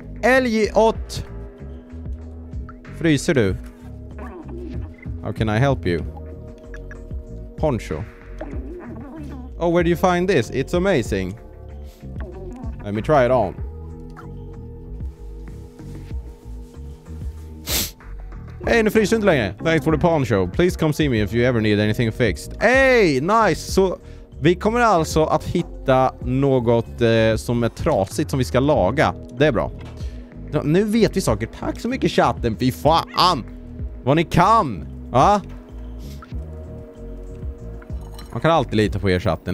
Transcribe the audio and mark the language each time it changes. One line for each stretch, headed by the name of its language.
English: Elliot!
Swedish: Fryser du?
English: How can I help you? Poncho. Oh, where do you find this? It's amazing. Let me try it on.
Swedish: Hey, nu fryser du inte längre.
English: Thanks for the pawn show. Please come see me if you ever need anything fixed. Hey, nice.
Swedish: Så vi kommer alltså att hitta något som är trasigt som vi ska laga. Det är bra. Nu vet vi saker. Tack så mycket, chatten. Fy fan. Vad ni kan. Va? Man kan alltid lita på er chatten.